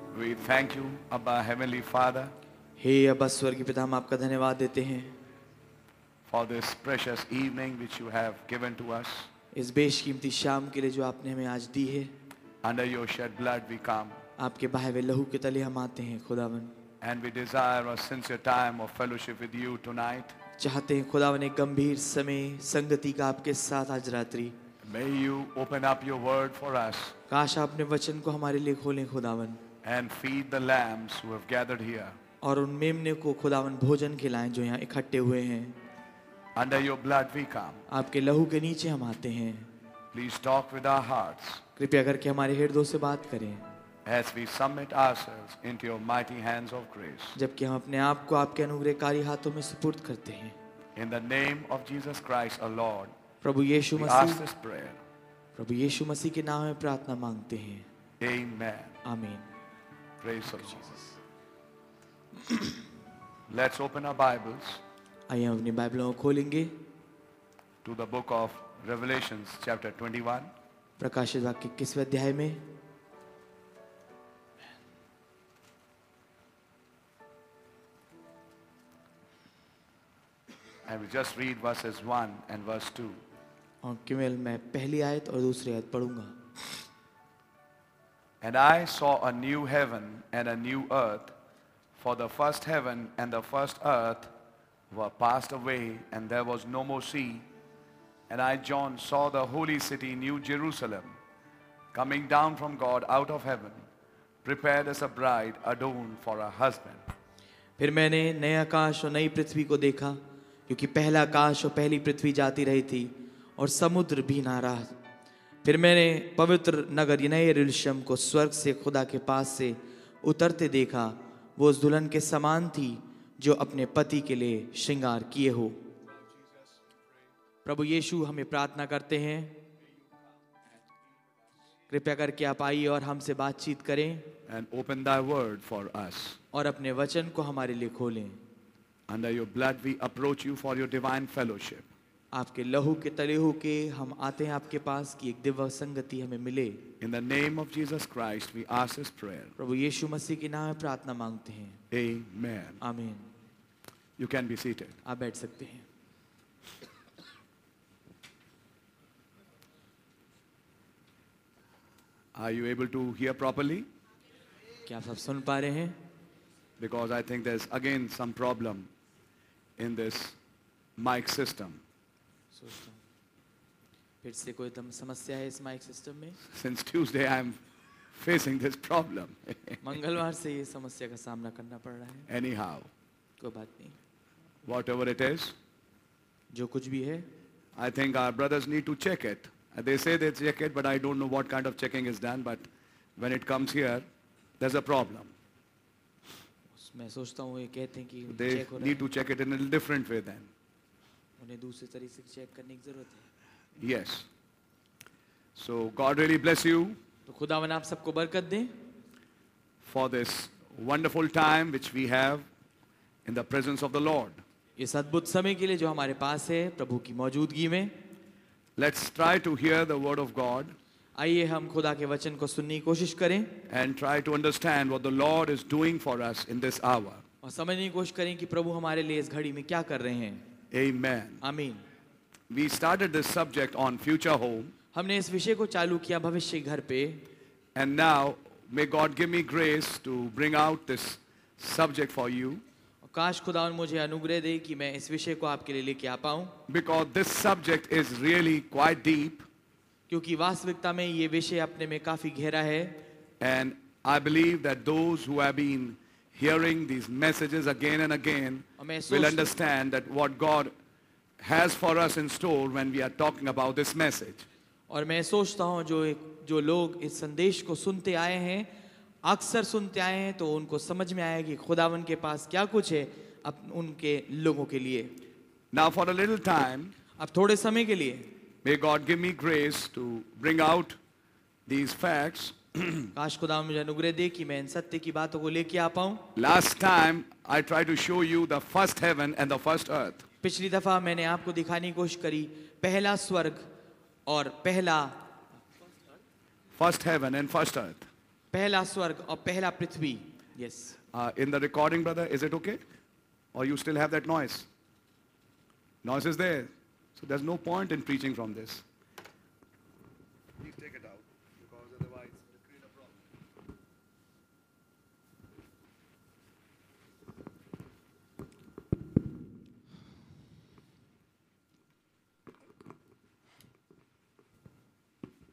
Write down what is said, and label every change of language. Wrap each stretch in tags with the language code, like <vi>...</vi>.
<en>We thank you, Abba Heavenly Father.</en> <hi>Hey, Abba Swargi Pita, hum aapka dhanyavaad dete hain.</hi> <en>For this precious evening which you have given to us.</en> <hi>Is beshkimti sham ke liye jo aapne hume aaj di hai.</hi> <en>Under your shed blood we come.</en> <hi>आपके बहवे लहू के तले हम आते हैं खुदावन।</hi> <en>And we desire a sincere time of fellowship with you tonight.</en> <hi>चाहते हैं खुदावन एक गंभीर समय संगति का आपके साथ आज रात्रि।</hi> <en>May you open up your word for us.</en> <hi>काश आप अपने वचन को हमारे लिए खोलें खुदावन।</hi> <en>And feed the lambs who have gathered here.</en> <hi>और उन मेमने को खुदावन भोजन खिलाएं जो यहाँ इकट्ठे हुए हैं।</hi> <en>Under your blood we come.</en> <hi>आपके लहू के नीचे हम आते हैं।</hi> <en>Please talk with our hearts.</en> <hi>कृपया करके हमारे हृदयों से बात करें।</hi> <en>As we submit ourselves into your mighty hands of grace.</en> <hi>जबकि हम अपने आप को आपके अनुग्रहकारी हाथों में सुपुर्द करते हैं।</hi> <en>In the name of Jesus Christ, our Lord.</en> <hi>Prabhu Yeshu Masih.</hi> <en>We ask this prayer.</en> <hi>प्रभु यीशु मसीह के नाम में प्रार्थना मांगते हैं।</hi> <en>Amen. Amen. Praise the Jesus. Let's open our Bibles.</en> <hi>आइए हम अपनी बाइबलों को खोलेंगे।</hi> <en>To the book of Revelations, chapter 21.</en> <hi>प्रकाशित वाक्य किस अध्याय में</hi> <en>I will just read verses 1 and verse 2.</en> <hi>और केवल मैं पहली आयत और दूसरी आयत पढ़ूंगा.</hi> <en>And I saw a new heaven and a new earth, for the first heaven and the first earth were passed away, and there was no more sea. And I, John, saw the holy city, New Jerusalem, coming down from God out of heaven, prepared as a bride adorned for her husband.</en> <hi>फिर मैंने नया आकाश और नई पृथ्वी को देखा, क्योंकि पहला आकाश और पहली पृथ्वी जाती रही थी और समुद्र भी ना रहा. फिर मैंने पवित्र नगर नए यरूशलेम को स्वर्ग से खुदा के पास से उतरते देखा. वो उस दुल्हन के समान थी जो अपने पति के लिए श्रृंगार किए हो. प्रभु यीशु, हमें प्रार्थना करते हैं, कृपया करके आप आइए और हमसे बातचीत करें.</hi> <en>And open thy word for us.</en> <hi>और अपने वचन को हमारे लिए खोलें.</hi> <en>Under your blood we approach you for your divine fellowship.</en> <hi>आपके लहू के तले होके हम आते हैं आपके पास कि एक दिव्य संगति हमें मिले.</hi> <en>In the name of Jesus Christ we ask this prayer.</en> <hi>प्रभु यीशु मसीह के नाम में प्रार्थना मांगते हैं.</hi> <en>Amen. Amen. You can be seated.</en> <hi>आप बैठ सकते हैं.</hi> <en>Are you able to hear properly?</en> <hi>क्या आप सब सुन पा रहे हैं?</hi> <en>Because I think there's again some problem in this mic system.</en> <hi>फिर से कोई समस्या है इस माइक सिस्टम में?</hi> <en>Since Tuesday I'm facing this problem.</en> <hi>मंगलवार से ये समस्या का सामना करना पड़ रहा है.</hi> <en>Anyhow.</en> <hi>कोई बात नहीं.</hi> <en>Whatever it is.</en> <hi>जो कुछ भी है.</hi> <en>I think our brothers need to check it. They say they check it, but I don't know what kind of checking is done. But when it comes here, there's a problem.</en> <hi>मैं सोचता हूँ ये कहते हैं कि</hi> <en>they need to check it in a different way then.</en> <hi>उन्हें दूसरे तरीके से चेक करने की जरूरत है.</hi> <en>Yes. So God really bless you.</en> <hi>तो खुदा वन आप सबको बरकत दे.</hi> <en>For this wonderful time which we have in the presence of the Lord.</en> <hi>इस अद्भुत समय के लिए जो हमारे पास है प्रभु की मौजूदगी में.</hi> <en>Let's try to hear the word of God.</en> <hi>आइए हम खुदा के वचन को सुनने की कोशिश करें.</hi> <en>And try to understand what the Lord is doing for us in this hour.</en> <hi>और समझने की कोशिश करें कि प्रभु हमारे लिए इस घड़ी में क्या कर रहे हैं.</hi> <en>Amen. Amen. We started this subject on future home.</en> <hi>हमने इस विषय को चालू किया भविष्य घर पे.</hi> <en>And now may God give me grace to bring out this subject for you.</en> <hi>काश खुदा मुझे अनुग्रह दे कि मैं इस विषय को आपके लिए लेके आ पाऊं.</hi> <en>Because this subject is really quite deep.</en> <hi>क्योंकि वास्तविकता में ये विषय अपने में काफी गहरा है.</hi> <en>And I believe that those who have been hearing these messages again and again will understand that what God has for us in store when we are talking about this message.</en> <hi>और मैं सोचता हूं जो लोग इस संदेश को सुनते आए हैं, अक्सर सुनते आए हैं, तो उनको समझ में आया कि खुदावन के पास क्या कुछ है अब उनके लोगों के लिए.</hi> <en>Now for a little time,</en> <hi>अब थोड़े समय के लिए,</hi> <en>may God give me grace to bring out these facts.</en> <hi>काश खुदावन मुझे अनुग्रह दे कि मैं इन सत्य की बातों को लेके आ पाऊं.</hi> <en>Last time I tried to show you the first heaven and the first earth.</en> <hi>पिछली दफा मैंने आपको दिखाने की कोशिश करी पहला स्वर्ग और पहला</hi> <en>first heaven and first earth.</en> <hi>पहला स्वर्ग और पहला पृथ्वी.</hi> <en>Yes. In the recording, brother, is it okay? Or you still have that noise? Noise is there. So there's no point in preaching from this. Please take it out, because otherwise it'll create a problem.</en>